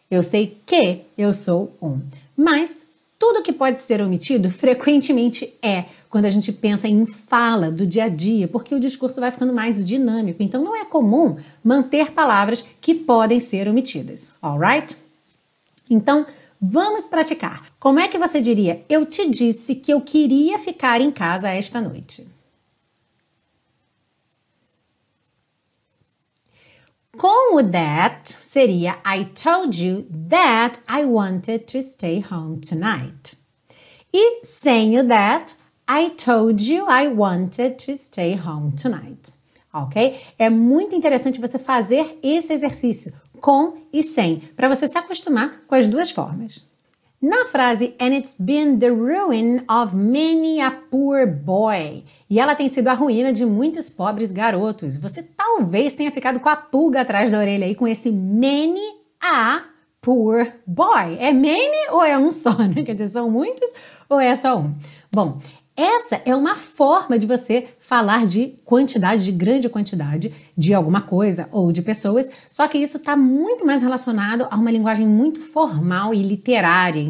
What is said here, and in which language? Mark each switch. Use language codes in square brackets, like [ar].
[pt] Eu sei que eu sou um. Mas tudo que pode ser omitido frequentemente é, quando a gente pensa em fala do dia a dia, porque o discurso vai ficando mais dinâmico. Então, não é comum manter palavras que podem ser omitidas. Alright? Então, vamos praticar. Como é que você diria, eu te disse que eu queria ficar em casa esta noite? Com o that, seria, [en] I told you that I wanted to stay home tonight. [pt] E sem o that, [en] I told you I wanted to stay home tonight. Ok? [pt] É muito interessante você fazer esse exercício com e sem, para você se acostumar com as duas formas. Na frase, [en] and it's been the ruin of many a poor boy. [pt] E ela tem sido a ruína de muitos pobres garotos. Você talvez tenha ficado com a pulga atrás da orelha aí com esse [en] many a poor boy. [pt] É many ou é um só, né? Quer dizer, são muitos ou é só um? Bom, essa é uma forma de você falar de quantidade, de grande quantidade de alguma coisa ou de pessoas, só que isso está muito mais relacionado a uma linguagem muito formal e literária.